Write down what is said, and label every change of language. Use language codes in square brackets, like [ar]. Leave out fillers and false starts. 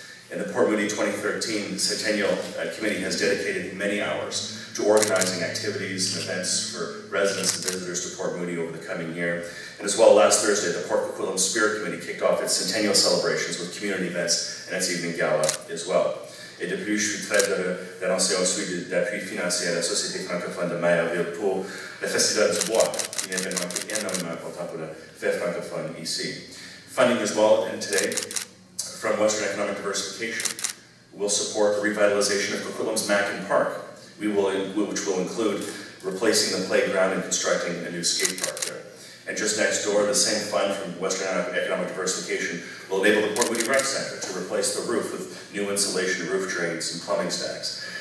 [en] And the Port Moody 2013 Centennial Committee has dedicated many hours to organizing activities and events for residents and visitors to Port Moody over the coming year. And as well, last Thursday, the Port Coquitlam Spirit Committee kicked off its centennial celebrations with community events and its evening gala as well. [fr] Et depuis, je suis très heureux d'annoncer ensuite d'appui financier à la Société Francophone de Maillardville pour le Festival du Bois, un événement qui est énormément important pour la Fête Francophone ici. [en] Funding as well, and today, from Western Economic Diversification, will support the revitalization of Coquitlam's Mackin Park, which will include replacing the playground and constructing a new skate park there. And just next door, the same fund from Western Economic Diversification will enable the Port Moody Rec Center to replace the roof with new insulation, roof drains, and plumbing stacks.